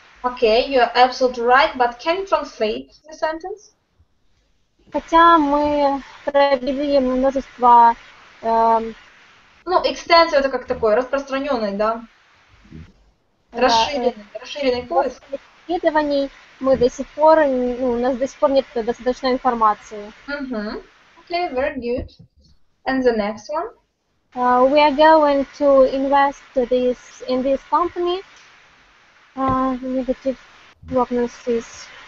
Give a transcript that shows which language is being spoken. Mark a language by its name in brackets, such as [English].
[English] Okay, you are absolutely right, but can you translate the sentence? [Russian] Хотя мы провели множество... Ну, extensive — это как такой распространенный, да? Расширенный поиск. Исследований мы до сих пор, ну, у нас до сих пор нет достаточной информации. [English] Mm-hmm. Okay, very good. And the next one? We are going to invest this in this company. Negative prognosis.